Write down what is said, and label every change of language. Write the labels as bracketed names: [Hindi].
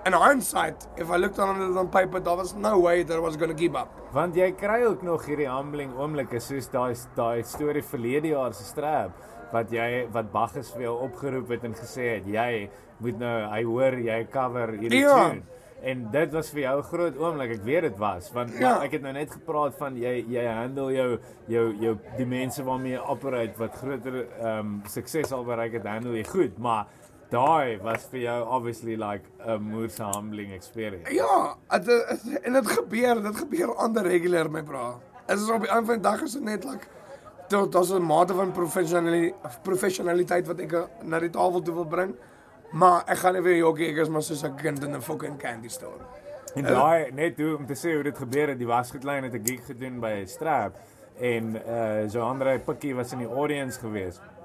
[English] In hindsight, if I looked on it on paper, there was no way that I was going to keep up. [Afrikaans] Want jy kry ook nog hierdie humbling oomblikke, soos die story verlede jaar se strap, wat Bagges vir jou opgeroep het en gesê het, jy moet nou, hy hoor, jy cover hierdie ja. Tune. En dit was vir jou groot oomblik, ek weet het was, want ja. Ek het nou net gepraat van, jy handle jou die mense waarmee jy operate, wat groter sukses al bereik het, handle jy goed, maar daai was vir jou [English] obviously like a moerse humbling experience. [Afrikaans] Ja, dit gebeur onder regular my bra. Dit is op die einde van die dag is dit net like dit is 'n mate van professionaliteit wat ek na die tafel toe wil bring. Maar ek gaan nie weer jokkie, ek is maar soos 'n kind in 'n fucking [English] candy store. [Afrikaans] En daai net toe om te sê hoe dit gebeur het, die wasgoedlyn het 'n gig gedoen by Strap en so Andre Pikkie was in die audience gewees.